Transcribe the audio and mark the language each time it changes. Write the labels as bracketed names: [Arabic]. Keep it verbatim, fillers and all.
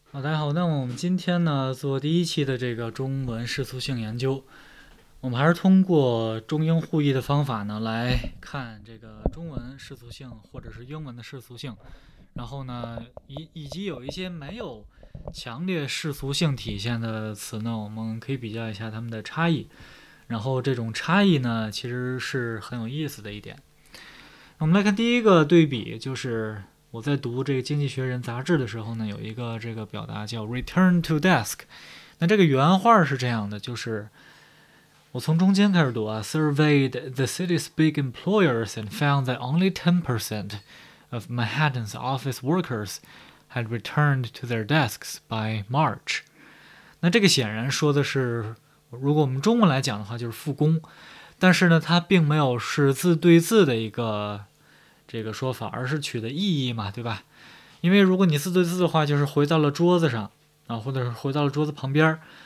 [Chinese] 好，大家好，那么我们今天呢做第一期的这个中文世俗性研究，我们还是通过中英互译的方法呢来看这个中文世俗性或者是英文的世俗性，然后呢以以及有一些没有强烈世俗性体现的词呢，我们可以比较一下它们的差异，然后这种差异呢其实是很有意思的一点。我们来看第一个对比，就是我在读这个《经济学人》杂志的时候呢，有一个这个表达叫 [English] "return to desk"。 [Chinese] 那这个原话是这样的，就是我从中间开始读啊 [English] ，surveyed the city's big employers and found that only ten percent of Manhattan's office workers had returned to their desks by March。 [Chinese] 那这个显然说的是，如果我们中文来讲的话，就是复工，但是呢，它并没有是字对字的一个。这个说法，而是取的意义嘛，对吧？因为如果你字对字的话，就是回到了桌子上啊，或者是回到了桌子旁边儿。